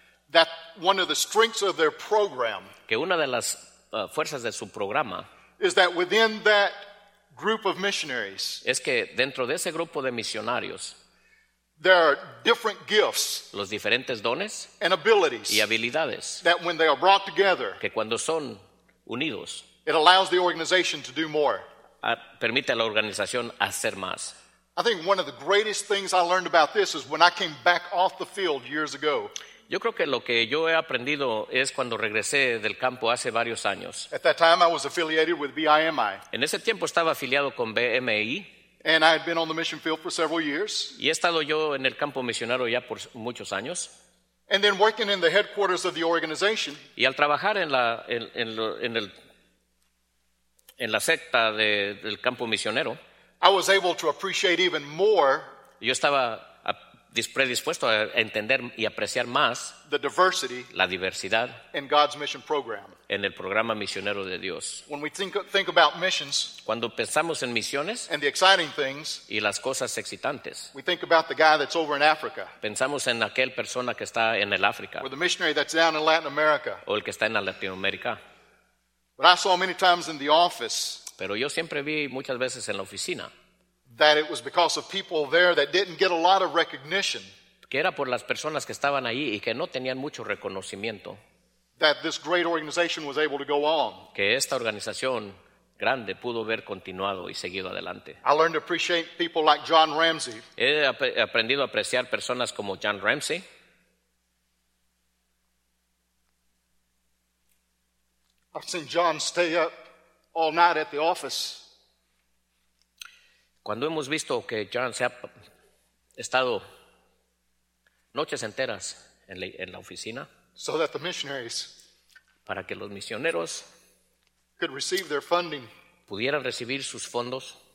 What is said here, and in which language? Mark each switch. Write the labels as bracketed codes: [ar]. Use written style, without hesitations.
[en] that one of the strengths of their program, [es] que una de las fuerzas de su programa, [en] is that within that group of missionaries, [es] es que dentro de ese grupo de misionarios, [en] there are different gifts, [es] los diferentes dones, [en] and abilities, [es] y habilidades, [en] that when they are brought together, [es] que cuando son unidos, [en] it allows the organization to do more. [es] Permite a la organización hacer más. [en] I think one of the greatest things I learned about this is when I came back off the field years ago. [es] Yo creo que lo que yo he aprendido es cuando regresé del campo hace varios años. [en] At that time I was affiliated with BIMI. [es] En ese tiempo estaba afiliado con BMI. [en] And I had been on the mission field for several years. [es] Y he estado yo en el campo misionero ya por muchos años. [en] And then working in the headquarters of the organization. [es] Y al trabajar en la secta del campo misionero, [en] I was able to appreciate even more. [es] Yo estaba predispuesto a entender y apreciar más [en] the diversity, [es] la diversidad, [en] in God's mission program, [es] en el programa misionero de Dios. [en] When we think about missions, [es] cuando pensamos en misiones, [en] and the exciting things, [es] y las cosas excitantes, [en] we think about the guy that's over in Africa, [es] pensamos en aquel persona que está en el África, [en] or the missionary that's down in Latin America, [es] o el que está en Latinoamérica. [en] But I saw many times in the office, [es] pero yo siempre vi muchas veces en la oficina, [en] that it was because of people there that didn't get a lot of recognition, [es] que era por las personas que estaban ahí y que no tenían mucho reconocimiento, [en] that this great organization was able to go on, [es] que esta organización grande pudo haber continuado y seguido adelante. [en] I learned to appreciate people like John Ramsey. [es] He aprendido a apreciar personas como John Ramsey. [en] I've seen John stay up all night at the office. [es] Cuando hemos visto que John se ha estado noches enteras en la oficina, [en] so that the missionaries, [es] para que los misioneros [en] could receive their funding. [es] Pudieran recibir sus fondos.